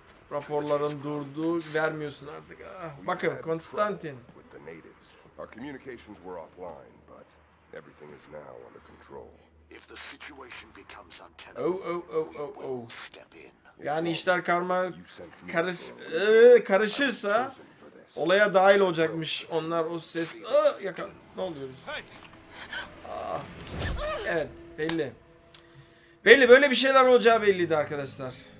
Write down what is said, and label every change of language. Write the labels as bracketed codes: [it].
[tr] Raporların durdu, vermiyorsun artık. Bakın, Konstantin. [en] Our communications were offline, but everything is now under control. If the situation becomes untenable, we will step in. [tr] Yani işler karışırsa olaya dahil olacakmış onlar, o ses. Ne oluyoruz? Evet, belli. Belli, böyle bir şeyler olacağı belliydi arkadaşlar.